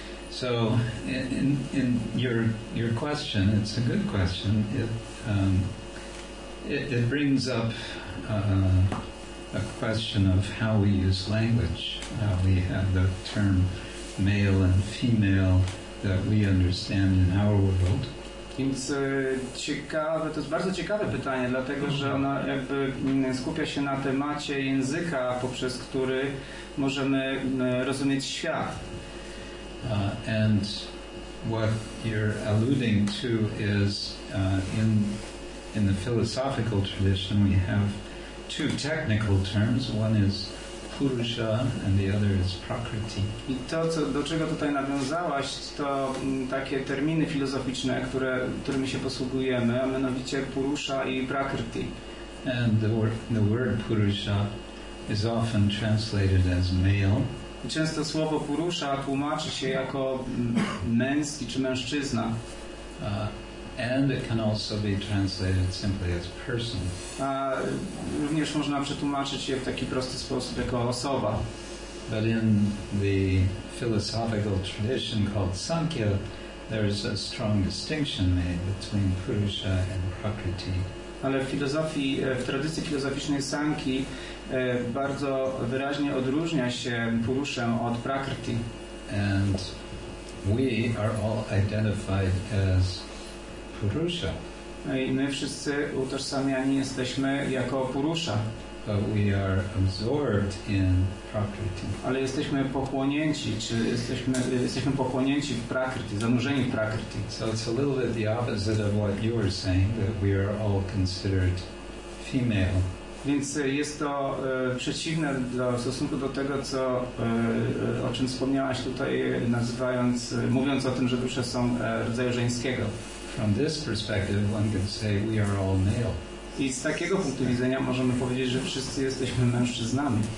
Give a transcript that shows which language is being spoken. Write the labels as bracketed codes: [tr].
[en] So in your question, it's a good question. It brings up a question of how we use language. We have the term male and female that we understand in our world. [pl] Więc ciekawe, to jest bardzo ciekawe pytanie, dlatego że ona jakby skupia się na temacie języka, poprzez który możemy rozumieć świat. [en] And what you're alluding to is in the philosophical tradition we have two technical terms. One is purusha and the other is prakriti. [pl] I to, do czego tutaj nawiązałaś, to takie terminy filozoficzne, którymi się posługujemy, a mianowicie purusha i prakriti. [en] And the word purusha is often translated as male. [pl] Często słowo purusha tłumaczy się jako męski czy mężczyzna. [en] And it can also be translated simply as person. [pl] Również można przetłumaczyć je w taki prosty sposób jako osoba. [en] But in the philosophical tradition called Sankhya, there is a strong distinction made between Purusha and Prakriti. [pl] Ale w filozofii, w tradycji filozoficznej Sankhi bardzo wyraźnie odróżnia się Purusha od Prakriti. [en] And we are all identified as Purusha. [pl] I my wszyscy utożsamiani jesteśmy jako Purusha. [en] But we are absorbed in Prakriti. [pl] Ale jesteśmy pochłonięci, czy jesteśmy pochłonięci w Prakriti, zanurzeni w Prakriti. [en] So it's a little bit the opposite of what you were saying, that we are all considered female. [pl] Więc jest to przeciwne w stosunku do tego, co o czym wspomniałaś tutaj, nazywając, mówiąc o tym, że dusze są rodzaju żeńskiego. [en] From this perspective, one can say we are all male. [pl] I z takiego punktu widzenia możemy powiedzieć, że wszyscy jesteśmy mężczyznami.